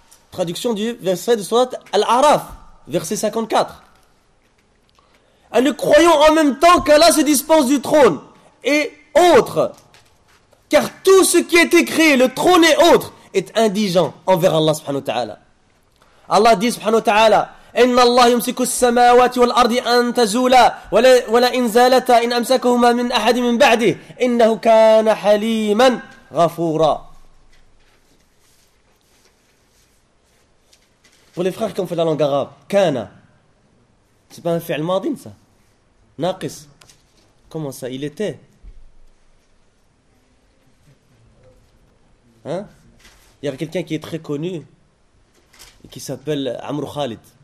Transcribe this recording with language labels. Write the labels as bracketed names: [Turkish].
[French] Traduction du verset de Surat Al-Araf, verset 54. Et nous croyons en même temps qu'Allah se dispense du trône et autre. Car tout ce qui a été créé, le trône et autre, est indigent envers Allah subhanahu wa ta'ala. Allah dit [Arabic] subhanahu wa ta'ala, إن الله يمسك السماوات والأرض أن تزولا ولا إن زالتا إن أمسكهما من أحد من بعده إنه كان حليما غفورا. [French] Pour les frères qui ont fait la langue arabe, kana, c'est pas un fi'l madin ça? Naqis. Comment ça? Il était? Hein? Il y a quelqu'un qui est très connu et qui s'appelle Amr Khalid.